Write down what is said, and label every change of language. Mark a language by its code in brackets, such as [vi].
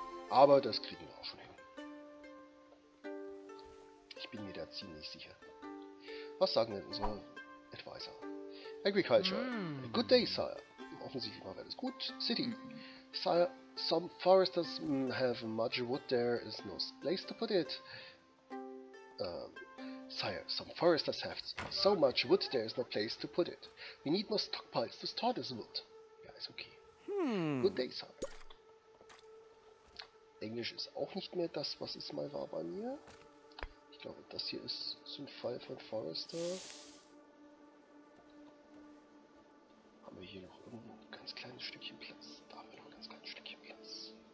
[de] Aber das kriegen wir auch schon hin. Ich bin mir da ziemlich sicher. Was sagen denn unsere Advisor? [en] Agriculture. Good day, sir. [de] Offensichtlich war alles gut. [en] City. Sir, some foresters have much wood. There is no place to put it. Sire, some foresters have so much wood. There is no place to put it. We need more stockpiles to store this wood. [de] Ja, ist okay. [en] Good day, sir. [de] Englisch ist auch nicht mehr das, was es mal war bei mir. Ich glaube, das hier ist so ein Fall von Forrester. Haben wir hier noch irgendwo ein ganz kleines Stückchen Platz? Da haben wir noch ein ganz kleines Stückchen Platz.